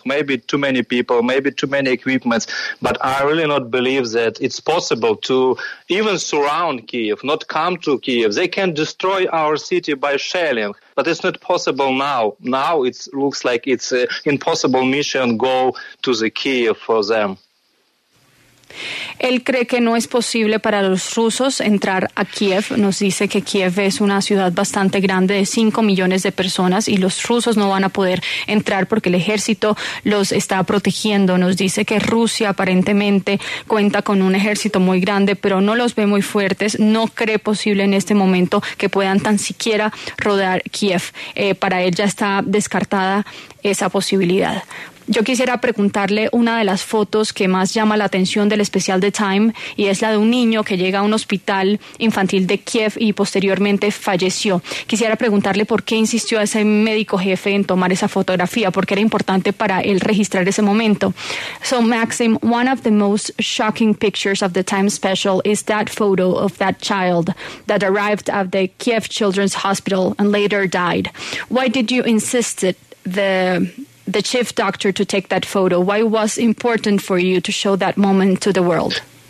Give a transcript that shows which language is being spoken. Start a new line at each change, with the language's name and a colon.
English: Maybe too many people, maybe too many equipments. But I really not believe that it's possible to even surround Kiev, not come to Kiev. They can destroy our city by shelling. But it's not possible now. Now it looks like it's an impossible mission go to the Kiev for them.
Spanish: Él cree que no es posible para los rusos entrar a Kiev. Nos dice que Kiev es una ciudad bastante grande de 5 millones de personas y los rusos no van a poder entrar porque el ejército los está protegiendo. Nos dice que Rusia aparentemente cuenta con un ejército muy grande, pero no los ve muy fuertes. No cree posible en este momento que puedan tan siquiera rodear Kiev. Para él ya está descartada esa posibilidad. Yo quisiera preguntarle una de las fotos que más llama la atención del especial de Time, y es la de un niño que llega a un hospital infantil de Kiev y posteriormente falleció. Quisiera preguntarle por qué insistió ese médico jefe en tomar esa fotografía, porque era importante para él registrar ese momento.
English: So, Maxim, one of the most shocking pictures of the Time special is that photo of that child that arrived at the Kiev Children's Hospital and later died. Why did you insist it, the chief doctor, to take that photo? Why was important for you to show that moment to the world?